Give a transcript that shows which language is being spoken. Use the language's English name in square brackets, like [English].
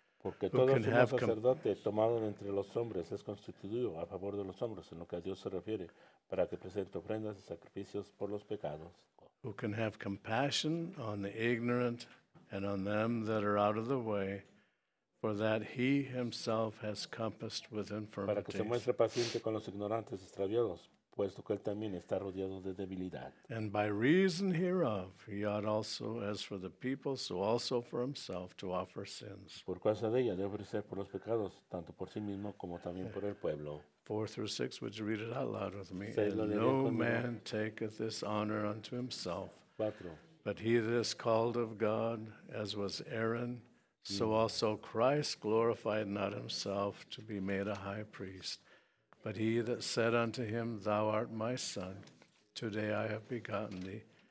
[Spanish] Porque todo sumo sacerdote tomado entre los hombres es constituido a favor de los hombres en lo que a Dios se refiere para que presente ofrendas y sacrificios por los pecados. [English] Who can have compassion on the ignorant and on them that are out of the way, for that he himself has compassed with infirmities. [Spanish] Para que se muestre paciente con los ignorantes extraviados, puesto que él también está rodeado de debilidad. [English] And by reason hereof, he ought also, as for the people, so also for himself, to offer sins. [Spanish] Por causa de ella, debe ofrecer por los pecados, tanto por sí mismo como también por el pueblo. [English] 4-6, would you read it out loud with me? [Spanish] Seis, [English] and no man taketh this honor unto himself. [Spanish] Cuatro. [English] But he that is called of God, as was Aaron, so also Christ glorified not himself to be made a high priest. But he that said unto him, Thou art my son, today I have begotten thee.